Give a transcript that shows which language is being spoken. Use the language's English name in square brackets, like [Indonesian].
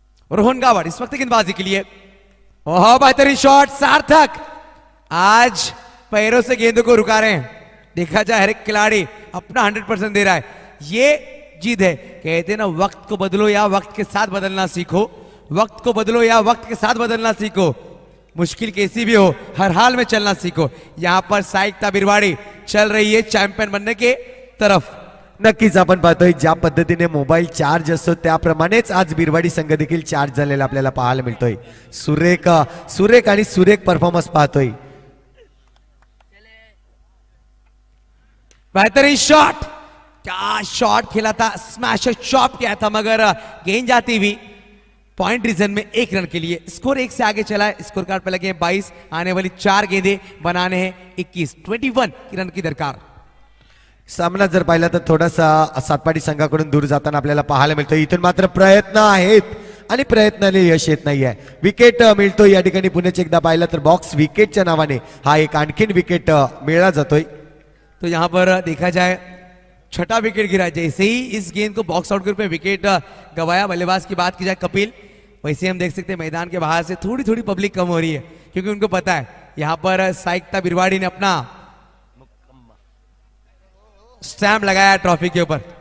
[Hindi] रोहन गावड़ इस वक्त गेंदबाजी के लिए, बेहतरीन शॉट सार्थक, आज पैरों से गेंद को रुका रहे हैं, देखा जाए हर एक खिलाड़ी अपना 100% दे रहा है, ये जीत है। कहते ना वक्त को बदलो या वक्त के साथ बदलना सीखो, वक्त को बदलो या वक्त के साथ बदलना सीखो, मुश्किल कैसी भी हो हर हाल में चलना सीखो। यहां पर साइकता बिरवाड़ी चल रही है चैंपियन बनने के तरफ। [Marathi] नक्कीच आपण पाहतोय ज्या पद्धतीने मोबाईल चार्ज असतो त्याप्रमाणेच आज बिरवाडी संघ देखील चार्ज झालेला आपल्याला पाहायला मिळतोय। सुरेख परफॉर्मन्स पाहतोय, [Hindi] बेहतरीन शॉट, क्या शॉट खेला था, स्मैश चॉप किया था, मगर गेंद जाती हुई पॉइंट रीजन में एक रन के लिए। स्कोर एक से आगे चला है, स्कोर कार्ड पर लगे 22, आने वाली 4 गेंदे बनाने हैं 21, 21 की रन की दरकार। [Marathi] सामना जर पाहिला तर थोडासा सातपाटी संघाकडून दूर जाताना आपल्याला पाहायला मिळतोय, इथून मात्र प्रयत्न आहेत आणि प्रयत्नाने यश येत नाहीये, विकेट मिळतोय या ठिकाणी पुण्याचे, एकदा पाहिला तर बॉक्स विकेटच्या नावाने हा एक आणखीन विकेट मिळाला जातोय। [Hindi] तो यहां पर देखा जाए छठा विकेट गिरा, जैसे ही इस गेंद को बॉक्स आउट के रूप में विकेट गवाया बल्लेबाज की बात की जाए कपिल, वैसे हम देख सकते हैं मैदान के बाहर से थोड़ी थोड़ी पब्लिक कम हो रही है, क्योंकि उनको पता है यहाँ पर साइकता बिरवाड़ी ने अपना स्टैम्प लगाया ट्रॉफी के ऊपर।